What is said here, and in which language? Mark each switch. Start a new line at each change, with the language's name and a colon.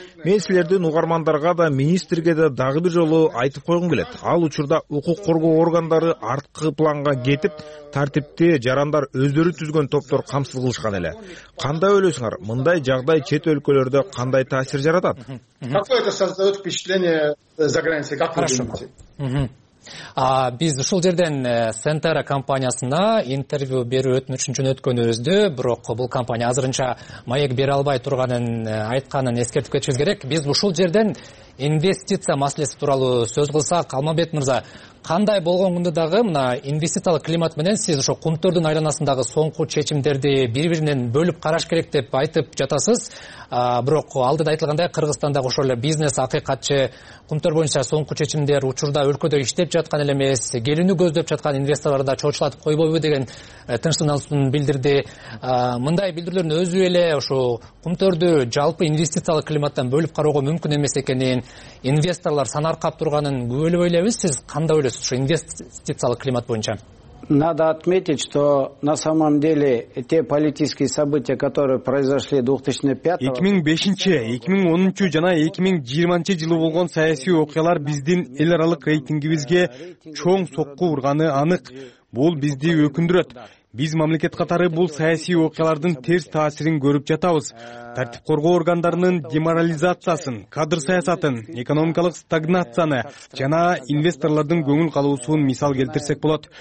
Kyrgyz: Мен силердин угармандарга да министрге да дагы бир жолу айтып койгум келет. Ал учурда укук коргоо органдары арткы планга кетип, тартипти жарандар өздөрү түзгөн топтор камсыз кылышкан эле. Кандай ойлойсуңар, мындай жагдай чет өлкөлөрдө кандай таасир жаратат?
Russian: Какое это создаёт впечатление за границей? Как вы думаете?
Kyrgyz: Биз ушул жерден Сентера компаниясына интервью берүү өтүнүчүн жөнөткөнүбүздө, бирок бул компания азырынча маек бере албай турганын айтканын эскертип кетишибиз керек. Биз ушул жерден инвестиция маселеси тууралуу сөз кылсак, Калмабет мырза, кандай болгон күндө дагы мына инвестициялык климат менен сиз ошо кумтордун айланасындагы соңку чечимдерди бири биринен бөлүп караш керек деп айтып жатасыз. Бирок алдыда айтылгандай, Кыргызстандагы ошол эле бизнес акыйкатчы кумтор боюнча соңку чечимдер учурда өлкөдө иштеп жаткан эле эмес, келүүнү көздөп жаткан инвесторлорду чоочулатып койбойбу деген тынчсыздануусун билдирди. Мындай билдирүүлөрдүн өзү эле ошо кумтордо жалпы инвестициялык климаттан бөлүп карауга мүмкүн эмес экенин, инвесторлор сан аркап турганын күбөлөбөй элебиз? Сиз кандай ойлойсуз ушу инвестициялык климат боюнча?
Russian: Надо отметить, что на самом деле те политические события, которые произошли
Kyrgyz: 2005-2010 жана 2020 жылы болгон саясий окуялар биздин эл аралык рейтингибизге чоң сокку урганы анык. Бул бизди өкүндүрөт. Биз мамлекет катары бул саясий окуялардын терс таасирин көрүп жатабыз. Тартип коргоо органдарынын деморализациясын, кадр саясатын, экономикалык стагнацияны жана инвесторлордун көңүл калуусун мисал келтирсек болот.